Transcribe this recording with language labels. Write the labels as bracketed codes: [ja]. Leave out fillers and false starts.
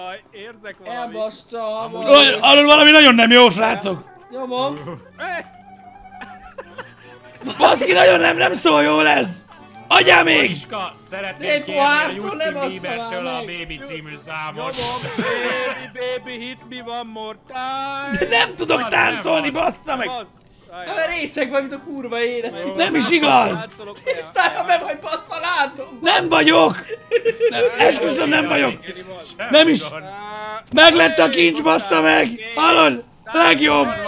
[hu] Érzek valamit. Elbasztam. Arról valami nagyon nem jó, srácok. Nyomom. Baszki, nagyon nem szól jól ez. Adjál még! Iska, szeretném kérni a Justin Bieber-től a Baby című számot. Nyomom, [en] baby, hit me one more time. [hu] De nem tudok táncolni, bassza meg! Na, mert részek vagy, mint a kurva élet. Nem is igaz! Tisztára be vagy, baszva, látom! Nem vagyok! Esküszöm, nem vagyok! Nem is! Meglett a kincs, bassza meg! Hallod? Legjobb!